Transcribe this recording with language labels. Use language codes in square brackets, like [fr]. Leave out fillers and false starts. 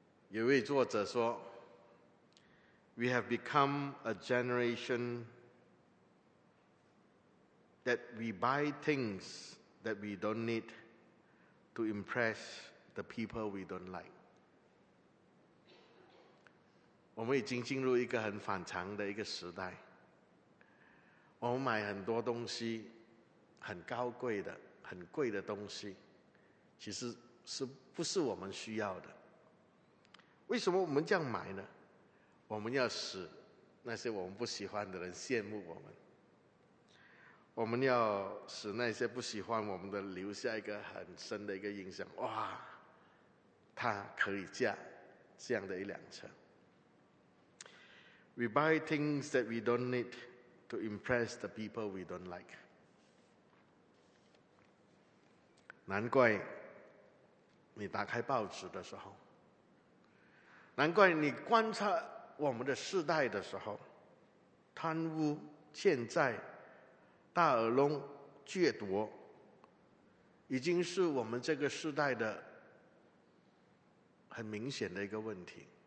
[zh] 有位作者说， [en] We have become a generation that we buy things that we don't need to impress the people we don't like. [zh] 我们已经进入一个很反常的一个时代，我们买很多东西，很高贵的，很贵的东西，其实是不是我们需要的。为什么我们这样买呢？我们要使那些我们不喜欢的人羡慕我们。我们要使那些不喜欢我们的留下一个很深的一个印象，哇，他可以驾这样的一辆车。 [en] We buy things that we don't need to impress the people we don't like。 [zh] 难怪你打开报纸的时候，难怪你观察我们的世代的时候，贪污、欠债、大耳窿、戒毒，已经是我们这个世代的很明显的一个问题。